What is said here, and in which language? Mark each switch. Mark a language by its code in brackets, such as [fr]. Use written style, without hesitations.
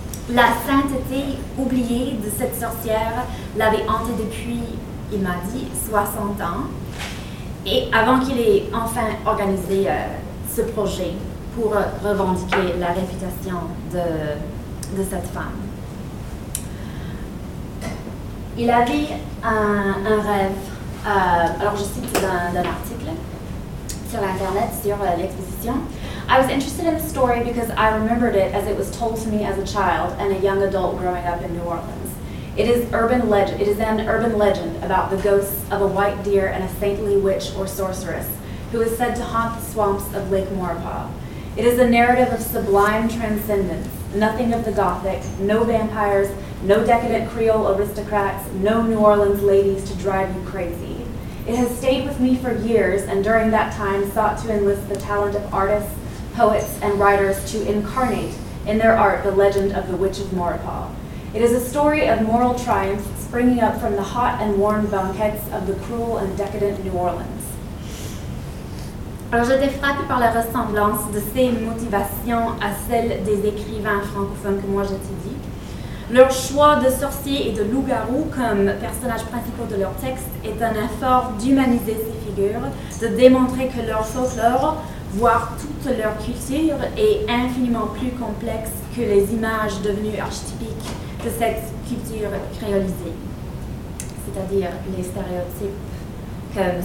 [fr] La sainteté oubliée de cette sorcière l'avait hanté depuis, il m'a dit, 60 ans, et avant qu'il ait enfin organisé ce projet pour revendiquer la réputation de cette femme. Il avait un rêve, alors je cite d'un article sur l'internet, sur l'exposition. [en] I was interested in the story because I remembered it as it was told to me as a child and a young adult growing up in New Orleans. It is an urban legend about the ghosts of a white deer and a saintly witch or sorceress who is said to haunt the swamps of Lake Maurepas. It is a narrative of sublime transcendence, nothing of the Gothic, no vampires, no decadent Creole aristocrats, no New Orleans ladies to drive you crazy. It has stayed with me for years and during that time sought to enlist the talent of artists, poets, and writers to incarnate in their art the legend of the Witch of Maurepas. It is a story of moral triumph springing up from the hot and warm banquettes of the cruel and decadent New Orleans. [fr] Alors j'étais frappée par la ressemblance de ces motivations à celles des écrivains francophones que moi j'étudie. Leur choix de sorciers et de loups-garous comme personnages principaux de leurs textes est un effort d'humaniser ces figures, de démontrer que leur folklore, voire toute leur culture, est infiniment plus complexe que les images devenues archétypiques de cette culture créolisée, c'est-à-dire les stéréotypes que M.